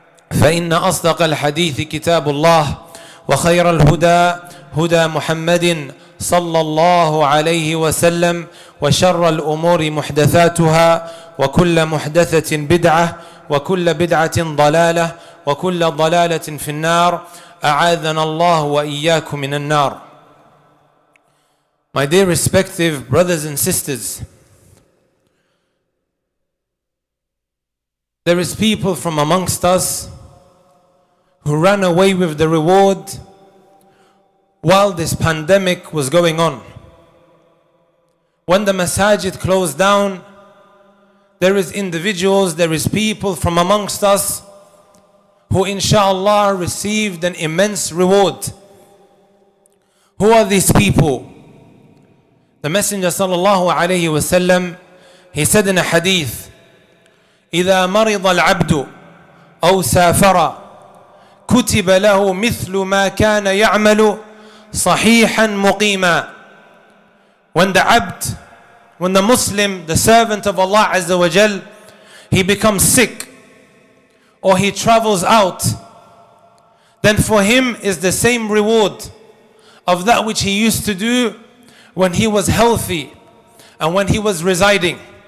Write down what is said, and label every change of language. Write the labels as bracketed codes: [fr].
[ar] فإن أصدق الحديث كتاب الله وخير الهدى هدى محمد صلى الله عليه وسلم وشر الأمور محدثاتها وكل محدثة بدعة وكل بدعة ضلالة وكل ضلالة في النار أعاذنا الله وإياكم من النار. [en] My dear respective brothers and sisters, there is people from amongst us who ran away with the reward while this pandemic was going on. When the masajid closed down, there is individuals, there is people from amongst us who inshallah received an immense reward. Who are these people? The Messenger sallallahu alayhi wa sallam, he said in a hadith, [ar] إِذَا مَرِضَ الْعَبْدُ أَوْ سَافَرَ كُتِبَ لَهُ مِثْلُ مَا كَانَ يَعْمَلُ صَحِيحًا مُقِيمًا. [en] When the abd, when the Muslim, the servant of Allah Azza wa Jal, he becomes sick, or he travels out, then for him is the same reward of that which he used to do when he was healthy and when he was residing.